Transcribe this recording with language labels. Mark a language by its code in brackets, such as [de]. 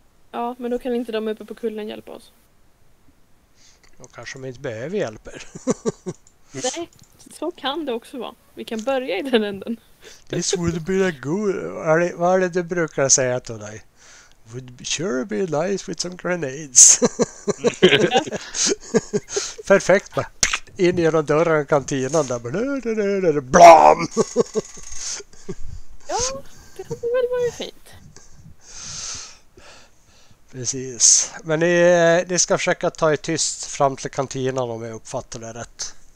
[sv] Ja, men då kan inte de uppe på kullen hjälpa oss. Då kanske de inte behöver hjälp. Nej, så kan det också vara. Vi kan börja i den änden. [en] This would be a good... [sv] Vad är det du brukar säga till dig? [en] Would sure be nice with some grenades. [sv] Perfekt, va? In genom dörren och kantinan där. Blum! Ja, det hade väl varit fint. Precis. Men ni ska försöka ta er tyst fram till kantinan om jag uppfattar det rätt.